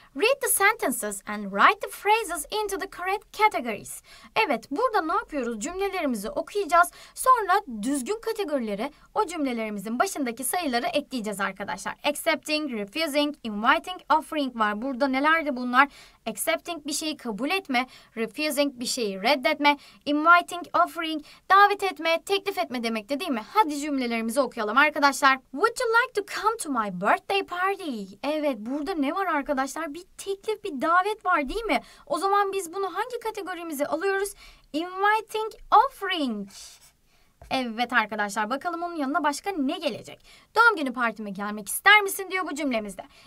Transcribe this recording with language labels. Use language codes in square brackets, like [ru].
[en] Read the sentences and write the phrases into the correct categories. [tr] Evet, burada ne yapıyoruz? Cümlelerimizi okuyacağız. Sonra düzgün kategorileri o cümlelerimizin başındaki sayıları ekleyeceğiz arkadaşlar. Accepting, refusing, inviting, offering var. Burada nelerdi bunlar? Accepting bir şeyi kabul etme, refusing bir şeyi reddetme, inviting, offering davet etme, teklif etme demekti değil mi? Hadi cümlelerimizi okuyalım arkadaşlar. [en] Would you like to come to my birthday party? [tr] Evet, burada ne var arkadaşlar? Bir teklif, bir davet var değil mi? O zaman biz bunu hangi kategorimize alıyoruz? Inviting offering. Evet arkadaşlar, bakalım onun yanına başka ne gelecek? Doğum günü partime gelmek ister misin diyor bu cümlemizde.